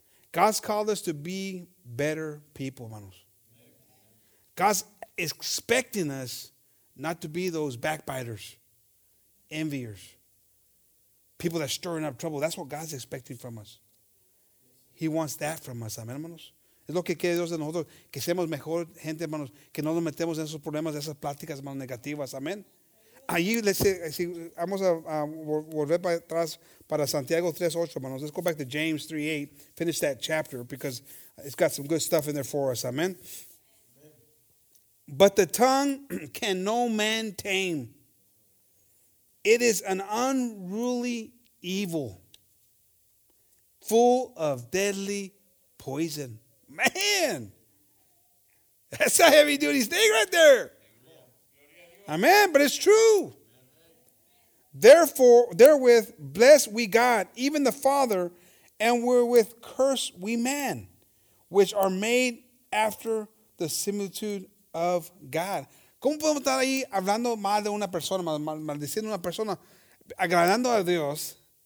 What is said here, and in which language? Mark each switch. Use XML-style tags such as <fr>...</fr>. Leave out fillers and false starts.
<en>God's called us to be better people, hermanos. God's expecting us not to be those backbiters, enviers, people that are stirring up trouble. That's what God's expecting from us. He wants that from us, amen, hermanos.</en> <es>Es lo que quiere Dios de nosotros, que seamos mejor gente, hermanos, que no nos metemos en esos problemas, esas pláticas más negativas. Amén. Allí, vamos a volver para atrás para Santiago 3:8, hermanos.</es> <en>Let's go back to James 3:8, finish that chapter, because it's got some good stuff in there for us. Amén. But the tongue can no man tame. It is an unruly evil, full of deadly poison. Man, that's a heavy duty thing right there. Amen. But it's true. Therefore, therewith bless we God, even the Father, and wherewith curse we man, which are made after the similitude of God.</en> <es>¿Cómo podemos estar ahí hablando mal de una persona, maldiciendo una persona, agradando a Dios?</es>